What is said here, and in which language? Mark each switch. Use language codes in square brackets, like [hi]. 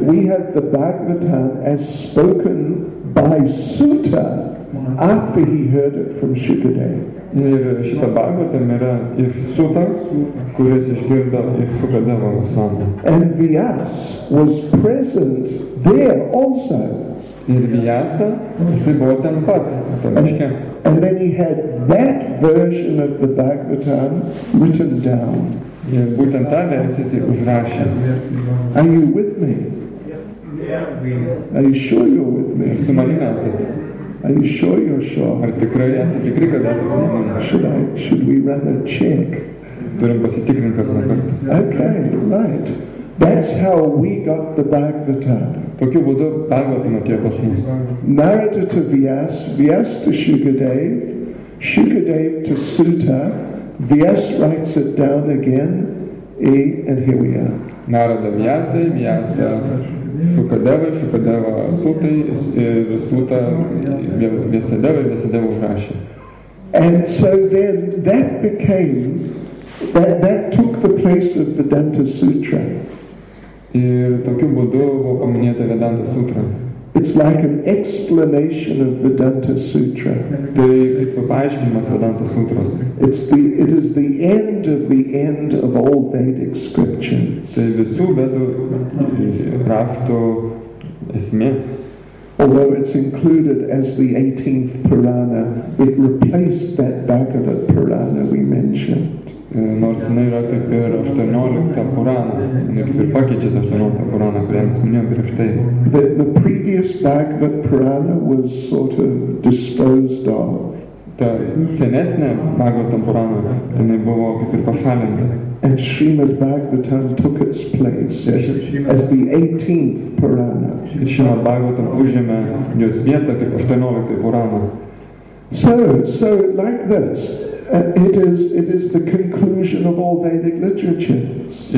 [en] We have the Bhagavatam as spoken by Suta after he heard it from Shukadeva. [lt] Ir šita Bhagavatam yra iš Suta, kuris išgirdo iš Shukadeva Goswami. [en] And Vyas was present there also. [lt] Ir Vyasa, jis buvo ten pat, tam iškia. [en] And then he had that version of the Bhagavatam written down. [lt] Ir būtent tą versiją jis užrašė. [en] Are you with me? Yes. Are you sure you're with me? [lt] Su manimi esate. [en] Are you sure you're sure? [lt] Ar tikrai esate tikri, kad esate su manimi? [en] Should we run a check? [lt] Turim pasitikrinti karts nuo karto. [en] Okay, right. That's how we got the Bhagavatam. [lt] Tokiu būdu Bhagavatam atėjo pas mus. [en] Narada to Vyas, Vyas to Shukadev, Shukadev to Suta, Vyas writes it down again, and here we are. [lt] Narada Vyasai, Vyasa Shukadeva, Shukadeva Sutai, ir Suta Vyasadeva, ir Vyasadeva užrašė. [en] And so then that became, that took the place of the Danta Sutra. [lt] Ir tokiu būdu buvo paminėta Vedanta Sutra. [en] It's like an explanation of Vedanta Sutra. [lt] Tai kaip paaiškinimas Vedanta Sutros. [en] It is the end of the end of all Vedic scriptures. [lt] Tai visų Vedų rašto esmė. [en] Although it's included as the 18th Purana, it replaced that Bhagavad Purana we mentioned. [lt] Nors jinai yra kaip ir 18 Purana, jinai kaip ir pakeičia tą 18 Purana, kurią mes minėjom prieš tai. [en] The previous Bhagavad Purana was sort of disposed of. [lt] Ta senesnė Bhagavatam Purana, jinai buvo kaip ir pašalinta. [en] And Srimad Bhagavatam took its place as the 18th Purana. [lt] Ir Srimad Bhagavatam užėmė jos vietą kaip 18 Purana. [en] So like this. It is the conclusion of all Vedic literatures.